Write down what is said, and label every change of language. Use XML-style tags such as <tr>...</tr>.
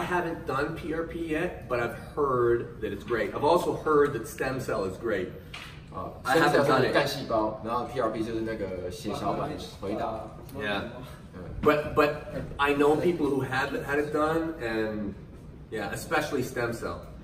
<en>haven't done PRP yet, but I've heard that it's great. I've also heard that stem cell is great. I haven't done it.</en> <zh>干细胞，然后PRP就是那个血小板回答。</zh> <en>Yeah, but I know people who haven't had it done, and yeah, especially stem cell.</en>